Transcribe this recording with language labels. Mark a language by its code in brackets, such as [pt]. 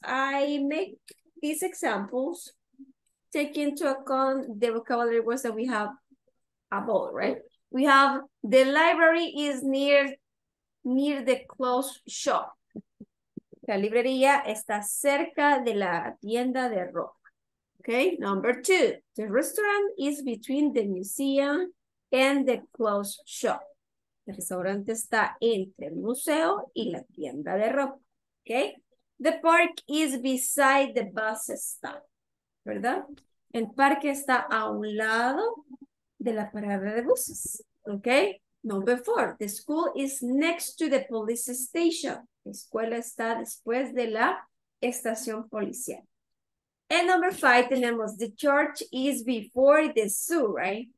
[en] I make these examples taking into account the vocabulary words that we have above, right? We have the library is near the clothes shop. [es] La librería está cerca de la tienda de ropa. [en] Okay, number two, the restaurant is between the museum and the clothes shop. [es] El restaurante está entre el museo y la tienda de ropa. [en] Okay, the park is beside the bus stop. [es] ¿Verdad? El parque está a un lado de la parada de buses. [en] Okay, number four, the school is next to the police station. [es] La escuela está después de la estación policial. [en] And number five, [es] tenemos [en] the church is before the zoo, right?